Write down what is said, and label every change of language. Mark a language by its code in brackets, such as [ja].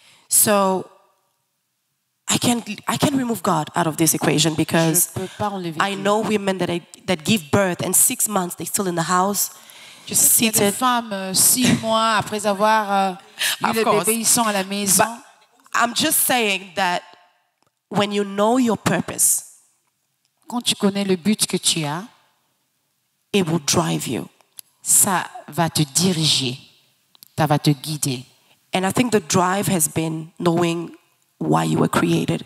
[en] So. I can remove God out of this equation because I know women that give birth and 6 months they're still in the house. [fr] Je sais qu'il y a des femmes 6 mois après avoir eu le bébé, ils sont à la maison. [en] But I'm just saying that when you know your purpose, [fr] quand tu connais le but que tu as, [en] it will drive you. [fr] Ça va te diriger, ça va te guider. [en] And I think the drive has been knowing why you were created.